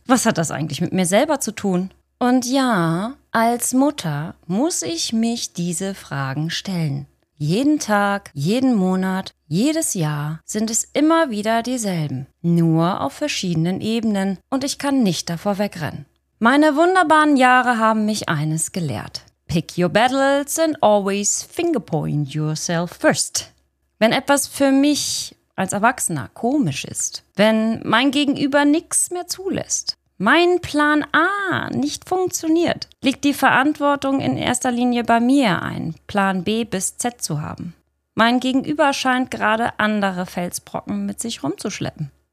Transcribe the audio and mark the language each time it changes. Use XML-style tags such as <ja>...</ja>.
<de>Was hat das eigentlich mit mir selber zu tun? Und ja, als Mutter muss ich mich diese Fragen stellen. Jeden Tag, jeden Monat, jedes Jahr sind es immer wieder dieselben. Nur auf verschiedenen Ebenen und ich kann nicht davor wegrennen. Meine wunderbaren Jahre haben mich eines gelehrt.</de> <en>Pick your battles and always fingerpoint yourself first.</en> <de>Wenn etwas für mich als Erwachsener komisch ist, wenn mein Gegenüber nichts mehr zulässt, mein Plan A nicht funktioniert, liegt die Verantwortung in erster Linie bei mir, einen Plan B bis Z zu haben. Mein Gegenüber scheint gerade andere Felsbrocken mit sich rumzuschleppen.</de>